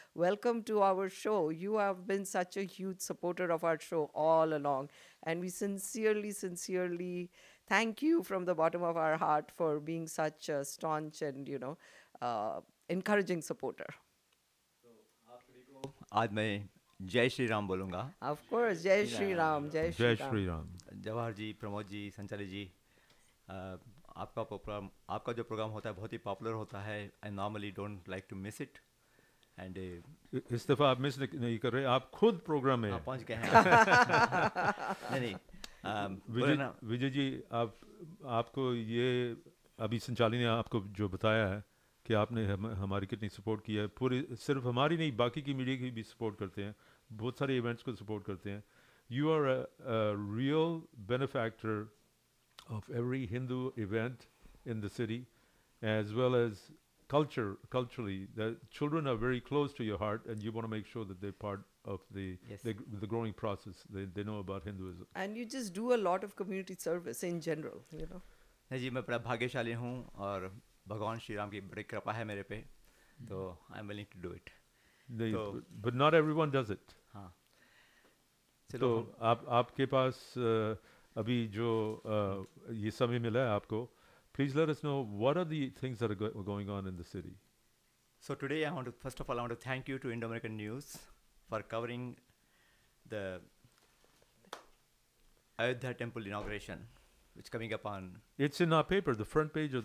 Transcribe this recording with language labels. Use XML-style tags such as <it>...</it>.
<en>Welcome to our show. You have been such a huge supporter of our show all along, and we sincerely, sincerely thank you from the bottom of our heart for being such a staunch and, you know, encouraging supporter.</en> <hi>आज मैं जय श्री राम बोलूँगा of course जय श्री राम जय श्री राम जवाहर जी प्रमोद जी संचाली जी आपका programme आपका जो programme होता है बहुत ही पॉपुलर होता है</hi> <en>I normally don't like to miss it and</en> <hi>इस दफ़ा आप मिस नहीं कर रहे आप खुद प्रोग्राम में पहुँच गए हैं विजय जी आपको ये अभी संचाली ने आपको जो बताया है कि आपने हमारी कितनी सपोर्ट की है पूरी सिर्फ हमारी नहीं बाकी की मीडिया की भी सपोर्ट करते हैं बहुत सारे इवेंट्स को सपोर्ट करते हैं</hi> <en>You are a real benefactor of every Hindu event in the city as well as culturally, the children are very close to your heart, and you want to make sure that they're part of the the growing process. They know about Hinduism. And you just do a lot of community service in general, you know.</en> <hi>जी मैं बड़ा भाग्यशाली हूँ और भगवान श्री राम की बड़ी कृपा है मेरे पे, तो</hi> <en>I'm willing to do it. But not everyone does it.</en> <hi>हाँ. तो आप आपके पास अभी जो ये समय मिला है आपको.</hi> <en>Please let us know, what are the things that are going on in the city? So today, I want to, first of all, I want to thank you to Indo-American News for covering the Ayodhya temple inauguration, which is coming up on... It's in our paper, the front page of</en>